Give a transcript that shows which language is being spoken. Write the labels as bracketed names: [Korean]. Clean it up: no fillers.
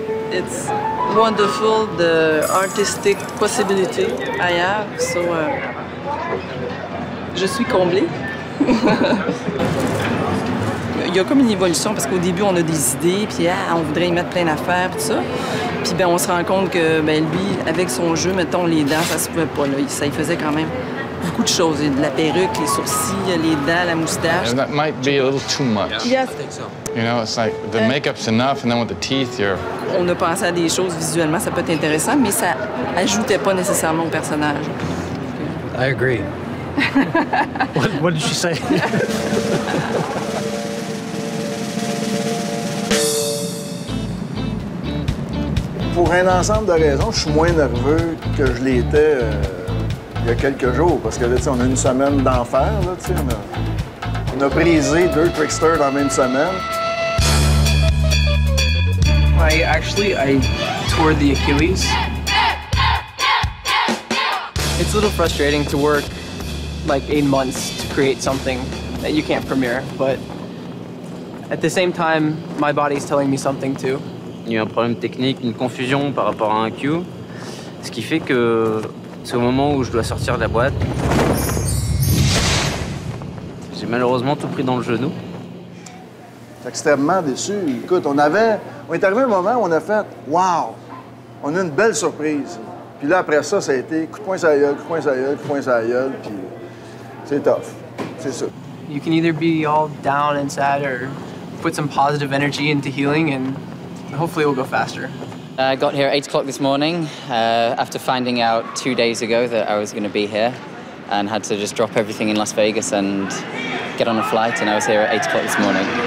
[English] It's wonderful, the artistic possibility I have, [French] so je suis comblée. Il y a comme une évolution, parce qu'au début, on a des idées, puis ah, on voudrait y mettre plein d'affaires, tout ça. Puis ben, on se rend compte que ben, lui, avec son jeu, mettons, les dents, ça se pouvait pas, là. Ça y faisait quand même beaucoup de choses. De la perruque, les sourcils, les dents, la moustache. [English] And that might be a little too much. Yes. Yeah. You know, it's like the makeup's enough, and then with the teeth, you're... [French] On a pensé à des choses visuellement, ça peut être intéressant, mais ça ajoutait pas nécessairement au personnage. [English] I agree. What did she say? [French] Pour un ensemble de raisons, je suis moins nerveux que je l'étais il y a quelques jours. Parce que là, on a une semaine d'enfer. Là, on a brisé deux tricksters dans la même semaine. [English] I tore the Achilles. It's a little frustrating to work like 8 months to create something that you can't premiere. But at the same time, my body's telling me something too. [French] Il y a un problème technique, une confusion par rapport à un cue. Ce qui fait que c'est au moment où je dois sortir de la boîte. J'ai malheureusement tout pris dans le genou. J'étais extrêmement déçu. Écoute, on est arrivé un moment où on a fait « Wow! » On a une belle surprise. Puis là, après ça, ça a été coup de poing sur la gueule, coup de poing sur la gueule, coup de poing sur la gueule, puis c'est tough. C'est ça. [English] You can either be all down and sad or put some positive energy into healing and hopefully it will go faster. I got here at 8 o'clock this morning after finding out 2 days ago that I was going to be here and had to just drop everything in Las Vegas and get on a flight, and I was here at 8 o'clock this morning.